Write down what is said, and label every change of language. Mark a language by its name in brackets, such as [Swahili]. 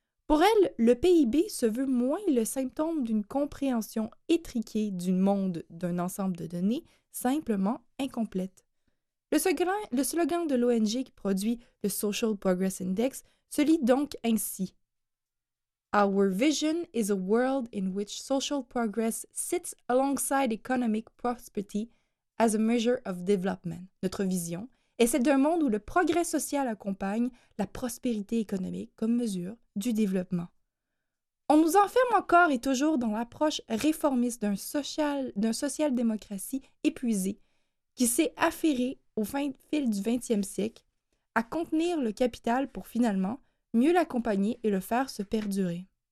[French] Pour elle, le PIB se veut moins le symptôme d'une compréhension étriquée du monde d'un ensemble de données, simplement incomplète. Le slogan de l'ONG qui produit le Social Progress Index se lit donc ainsi. [English] Our vision is a world in which social progress sits alongside economic prosperity as a measure of development. [French] Notre vision est celle d'un monde où le progrès social accompagne la prospérité économique comme mesure du développement. On nous enferme encore et toujours dans l'approche réformiste d'un social-démocratie épuisé qui s'est affairé au fil du 20e siècle à contenir le capital pour finalement mieux l'accompagner et le faire se perdurer.